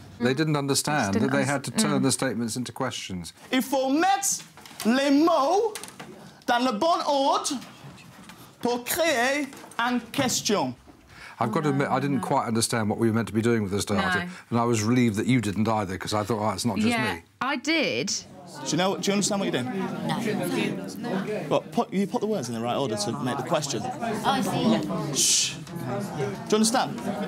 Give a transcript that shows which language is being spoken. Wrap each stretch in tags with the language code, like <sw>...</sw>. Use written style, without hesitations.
<en>They didn't understand that they had to turn the statements into questions.</en> <fr>Il faut mettre les mots dans le bon ordre pour créer une question.</fr> <en>I've got to admit, I didn't quite understand what we were meant to be doing with this data. No. And I was relieved that you didn't either, because I thought, oh, it's not just me. Yeah, I did. Do you understand what you're doing? No. Well, you put the words in the right order to make the question. Oh, I see. Yeah. Shh. Do you understand?</en>